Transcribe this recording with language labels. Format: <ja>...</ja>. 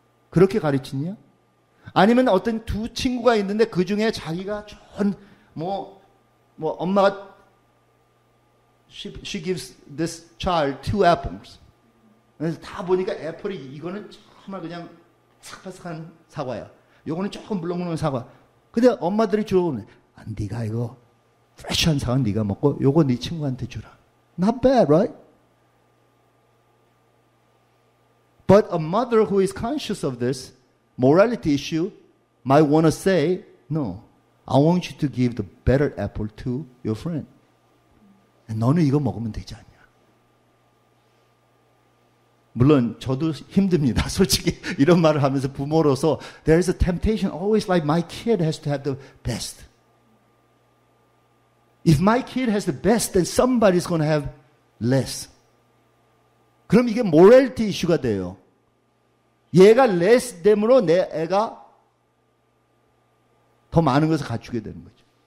<ko>그렇게 가르치냐? 아니면 어떤 두 친구가 있는데 그 중에 자기가 전, 뭐, 엄마가,</ko> <en>she gives this child two apples.</en> <ko>그래서 다 보니까 애플이 이거는 정말 그냥 삭삭한 사과야. 요거는 조금 물렁물렁한 사과. 근데 엄마들이 주는, 아, 니가 이거, fresh한 사과 니가 먹고 요거 네 친구한테 주라.</ko> <en>Not bad, right? But a mother who is conscious of this morality issue might want to say, no, I want you to give the better apple to your friend.</en> <ko>And 너는 이거 먹으면 되지 않냐. 물론 저도 힘듭니다. 솔직히 이런 말을 하면서 부모로서</ko> <en>there is a temptation always like my kid has to have the best. If my kid has the best, then somebody's going to have less.</en> <ko>그럼 이게 morality issue가 돼요. 얘가 less 됨으로 내 애가 더 많은 것을 갖추게 되는 거죠.</ko>